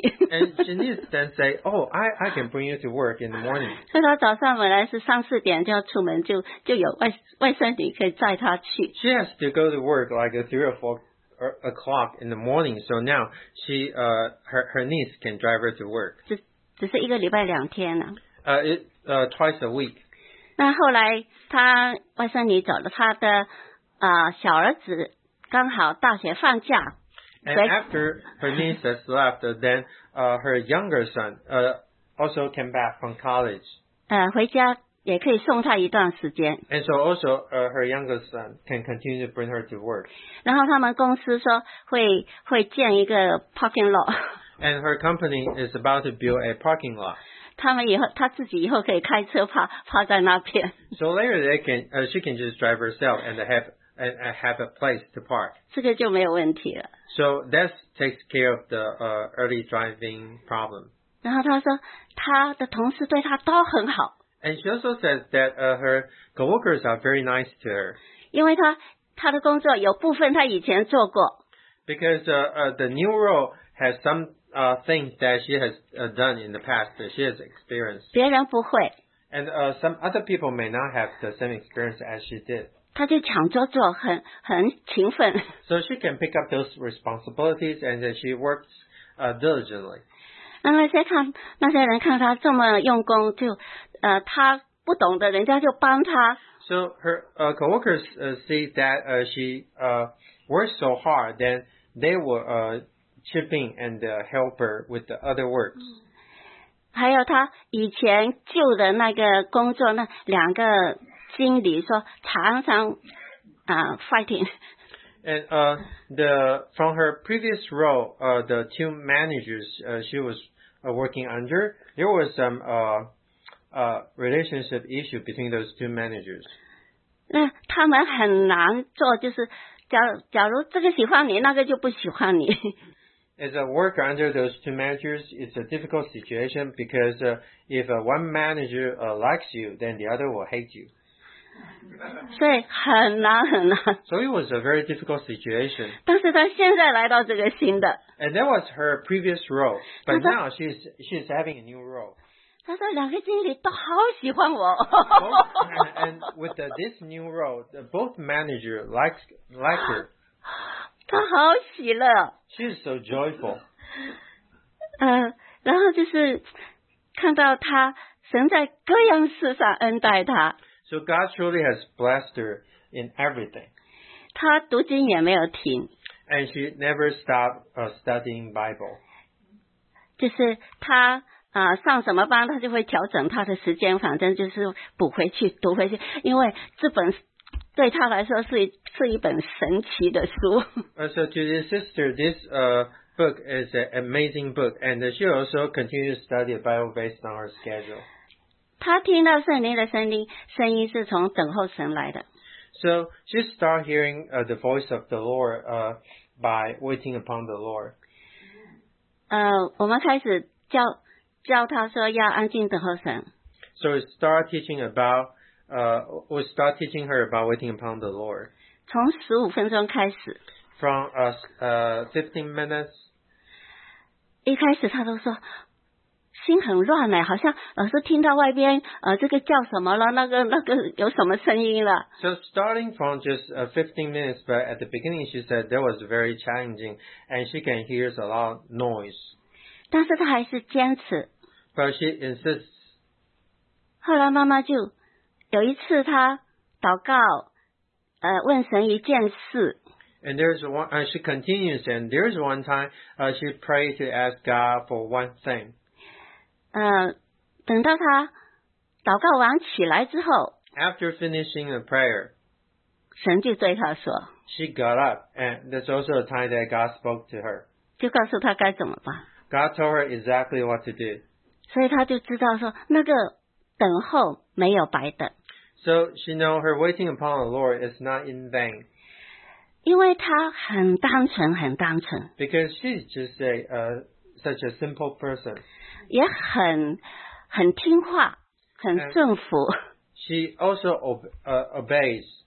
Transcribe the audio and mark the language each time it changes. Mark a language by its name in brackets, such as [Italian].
[English] And she niece then say, oh, I can bring you to work in the morning. [Chinese] 所以他早上本来是三四点就要出门，就有外甥女可以载他去。 [English] She has to go to work like a 3 or 4 o'clock in the morning. So now she her niece can drive her to work. [Chinese] 只是一个礼拜两天了。 [English] Twice a week. [Chinese] 那后来他外甥女走了，他的小儿子刚好大学放假。 [English] And after Bernice has left, then her younger son also came back from college. [Chinese] 回家也可以送他一段时间。 [English] And so also her younger son can continue to bring her to work. [Chinese] 然后他们公司说会建一个 parking lot. [English] And her company is about to build a parking lot. [Chinese] 他自己以后可以开车趴在那边。 [English] So later they can, she can just drive herself and have a place to park. [Chinese] 这个就没有问题了。 [English] So that takes care of the early driving problem. [Chinese] 然后他说他的同事对他都很好。 [English] And she also says that her co-workers are very nice to her. [Chinese] 因为他的工作有部分他以前做过。 [English] Because the new role has some things that she has done in the past that she has experienced. [Chinese] 别人不会。 [English] And some other people may not have the same experience as she did. [Chinese] 他就抢着做，很勤奋。 [English] So she can pick up those responsibilities and that she works diligently. [Chinese] 那些人看他这么用功就他不懂的人家就帮他。 [English] So her co-workers see that she works so hard, then they will chip in and help her with the other works. [Chinese] 还有他以前旧的那个工作，那两个经理说常常fighting. [English] And from her previous role, the two managers she was working under, there was some relationship issue between those two managers. [Chinese] 那他们很难做，就是假如这个喜欢你，那个就不喜欢你。 [English] As a worker under those two managers, it's a difficult situation because if one manager likes you, then the other will hate you. [Chinese] 所以很难很难。 [English] So it was a very difficult situation. [Chinese] 但是他现在来到这个新的。 [English] And that was her previous role, but now she's having a new role. [Chinese] 他说两个经理都好喜欢我。 [English] And with this new role, both manager like her. [Chinese] 他好喜乐。 [English] She's so joyful. [Chinese] 然后就是看到他神在各样事上恩待他。 [English] So God truly has blessed her in everything. [Chinese] 他读经也没有停。 [English] And she never stopped studying Bible. [Chinese] 就是他上什么班他就会调整他的时间，反正就是补回去读回去，因为这本对他来说是一本神奇的书。 [English] So to this sister, this book is an amazing book, and she also continues to study the Bible based on her schedule. [Chinese] 他听到圣灵的声音是从等候神来的。 [English] So she started hearing the voice of the Lord by waiting upon the Lord. [Chinese] 我们开始教他说要安静等候神。 [English] So we start teaching her about waiting upon the Lord. [Chinese] 从15分钟开始。 [English] From 15 minutes. [Chinese] 一开始他都说心很乱好像老师听到外边这个叫什么了，那个有什么声音了。 [English] So starting from just 15 minutes, but at the beginning she said that was very challenging and she can hear a lot of noise. [Chinese] 但是他还是坚持。 [English] But she insists. [Chinese] 后来妈妈就有一次他祷告问神一件事。 [English] And there's one, she continues, and there's one time, she prayed to ask God for one thing. [Chinese] 等到他祷告完起来之后。 [English] After finishing the prayer. [Chinese] 神就对他说。 [English] She got up, and that's also a time that God spoke to her. [Chinese] 就告诉他该怎么办。 [English] God told her exactly what to do. [Chinese] 所以她就知道说那个等候没有白等。 [English] So she know her waiting upon the Lord is not in vain. [Chinese] 因为她很单纯很单纯。 [English] Because she's just such a simple person. [Chinese] 也很听话很顺服。 [English] She also obeys.